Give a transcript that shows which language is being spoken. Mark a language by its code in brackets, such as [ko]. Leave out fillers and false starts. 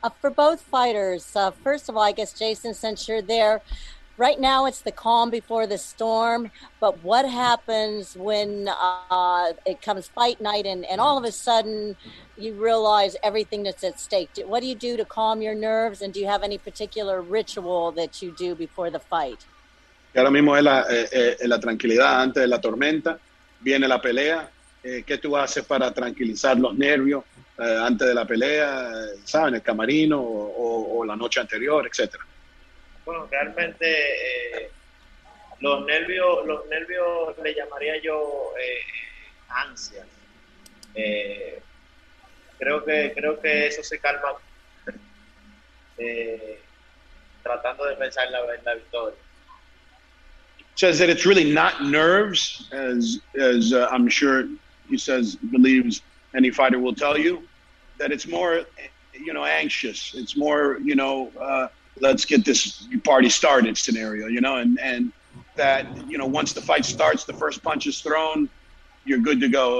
[en] For both fighters, first of all, I guess, Jason, since you're there, right now it's the calm before the storm. But what happens when it comes fight night and all of a sudden you realize everything that's at stake? What do you do to calm your nerves? And do you have any particular ritual that you do before the fight? [es] Ahora mismo es la tranquilidad antes de la tormenta. Viene la pelea. ¿Qué tú haces para tranquilizar los nervios antes de la pelea? ¿Sabes? El camarino o la noche anterior, etcétera. Bueno, realmente los nervios le llamaría yo ansias. Creo que eso se calma tratando de pensar en la victoria. [en] Says that it's really not nerves, as I'm sure he says, believes any fighter will tell you, that it's more, you know, anxious. It's more, you know, let's get this party started scenario, you know, and that, you know, once the fight starts, the first punch is thrown, you're good to go.